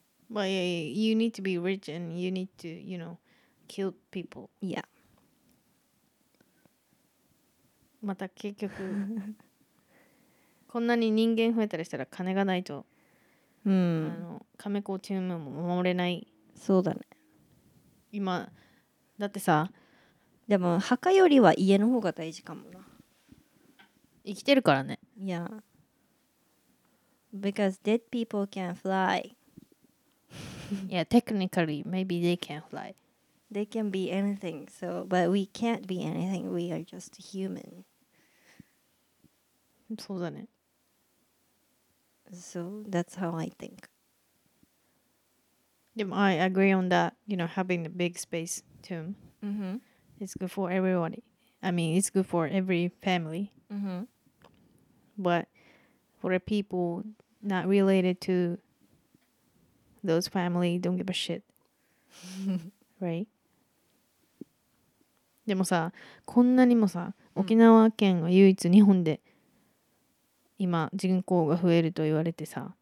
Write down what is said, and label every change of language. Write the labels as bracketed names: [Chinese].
[English] But yeah, you need to be rich and you need to, you know, kill people. Yeah. [Japanese] また結局こんなに人間増えたりしたら金がないと、うん、あの亀甲チームも守れないそうだね今だってさでも墓よりは家の方が大事かもな生きてるからね [English] いや、yeah. because dead people can fly yeah technically maybe they can fly They can be anything, so, but we can't be anything. We are just human. [Japanese] そうだね。 [English] So, that's how I think. Yeah, I agree on that. You know, having a big space tomb. Mm-hmm. It's good for everybody. I mean, it's good for every family. Mm-hmm. But for the people not related to those family, don't give a shit. right? [Japanese] でもさ、こんなにもさ、沖縄県が唯一日本で今人口が増えると言われてさ、